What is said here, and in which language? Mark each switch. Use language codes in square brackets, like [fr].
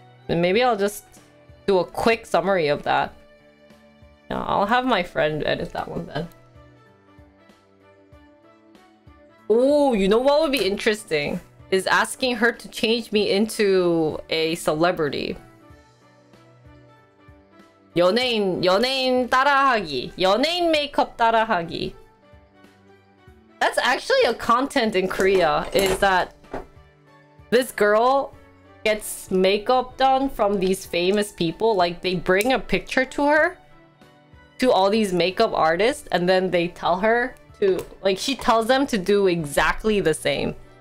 [en] And maybe I'll just do a quick summary of that. Yeah, I'll have my friend edit that one then. Oh, you know what would be interesting? Is asking her to change me into a celebrity. [ko] 연예인 따라하기. 연예인 메이크업 따라하기. [en] That's actually a content in Korea, is that this girl gets makeup done from these famous people. Like, they bring a picture to her, to all these makeup artists, and then they tell her to, like, she tells them to do exactly the same.